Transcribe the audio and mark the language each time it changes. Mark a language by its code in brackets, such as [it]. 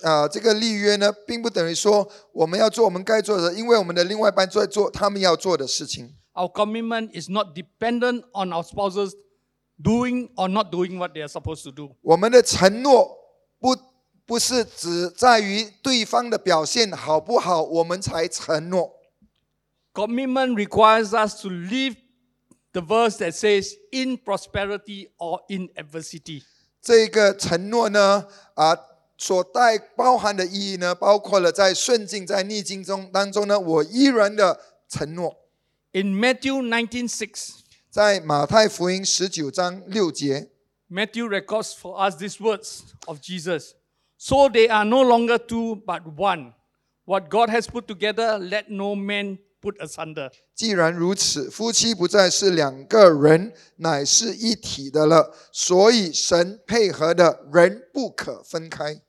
[zh] 这个立约呢，并不等于说我们要做我们该做的，因为我们的另外一半在做他们要做的事情。 [en] Our commitment is not dependent on our spouses doing or not doing what they are supposed to do. [zh] 我们的承诺不是只在于对方的表现好不好，我们才承诺。 [en] Commitment requires us to leave the verse that says in prosperity or in adversity. [zh] 这个承诺呢，所带包含的意义呢，包括了在顺境、在逆境中当中呢，我依然的承诺。 [en] In Matthew 19:6, [zh] 在马太福音十九章六节 [en] ，Matthew records for us these words of Jesus: "So they are no longer two, but one. What God has put together, let no man put asunder." [zh] 既然如此，夫妻不再是两个人，乃是一体的了。所以神配合的人不可分开。